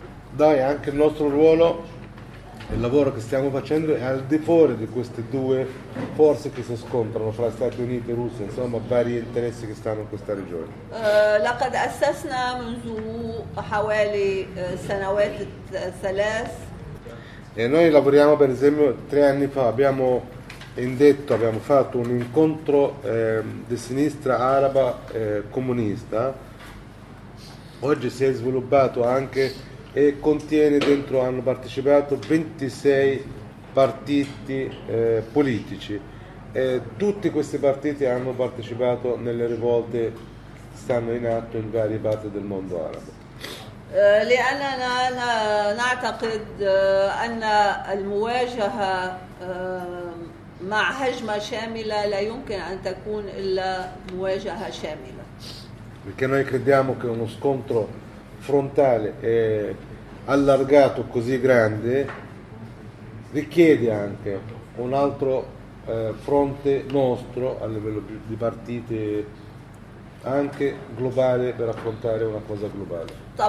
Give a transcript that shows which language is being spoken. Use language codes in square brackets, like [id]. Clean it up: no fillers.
[it] Dai, anche il nostro ruolo, il lavoro che stiamo facendo è al di fuori di queste due forze che si scontrano fra Stati Uniti e Russia, insomma vari interessi che stanno in questa regione. [ar] لقد أسسنا منذ حوالي سنوات ثلاث. [it] E noi lavoriamo per esempio 3 anni fa, abbiamo fatto un incontro di sinistra araba comunista. Oggi si è sviluppato anche e contiene dentro, hanno partecipato 26 partiti politici. Tutti questi partiti hanno partecipato nelle rivolte che stanno in atto in varie parti del mondo arabo. [ar] لأننا نعتقد أن المواجهة مع هجمة شاملة لا يمكن أن تكون إلا مواجهة شاملة. [it] Perché noi crediamo che uno scontro frontale è allargato così grande richiede anche un altro fronte nostro a livello di partite anche globale per affrontare una cosa globale.